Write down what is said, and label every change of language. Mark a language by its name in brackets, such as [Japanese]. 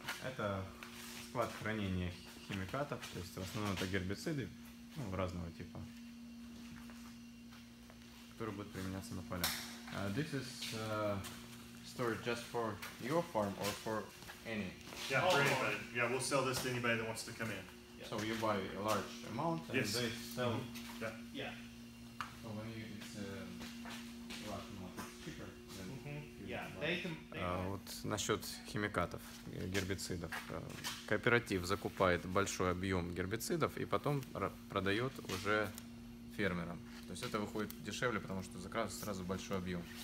[Russian] Это склад хранения химикатов, то есть в основном это гербициды, ну, разного типа, которые будут применяться на полях. [English] This is storage just for your farm or for any? Yeah, for anybody. Yeah, we'll sell this to anybody that wants to come in. So you buy a large amount and yes. They sell. Yeah. So when you it's a large amount, it's cheaper than. [Russian] Вот насчет химикатов, гербицидов. Кооператив закупает большой объем гербицидов и потом продает уже фермерам. То есть это выходит дешевле, потому что заказ сразу большой объем.